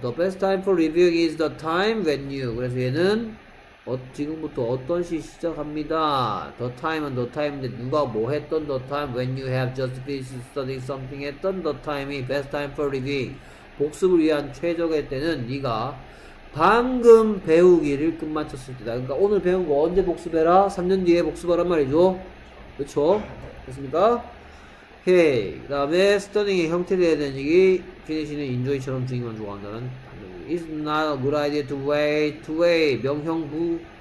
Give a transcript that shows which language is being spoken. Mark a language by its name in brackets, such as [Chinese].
[English] the best time for reviewing is the time when you. [Korean] 그래서 얘는 지금부터 어떤 시 시작합니다. [English] The time은 the time인데 [Korean] 누가 뭐 했던 [English] the time, when you have just finished studying something 했던 the time이 best time for reviewing. [Korean] 복습을 위한 최적의 때는 네가 방금 배우기를 끝마쳤을 때다. 그러니까 오늘 배운 거 언제 복습해라? 3년 뒤에 복습하란 말이죠. 그렇죠? 됐습니까? 오케이. 그 다음에 studying의 형태에 대한 얘기, finish는 enjoy처럼 doing만 좋아한다는 [English] It's not a good idea to wait. [Korean] 명형부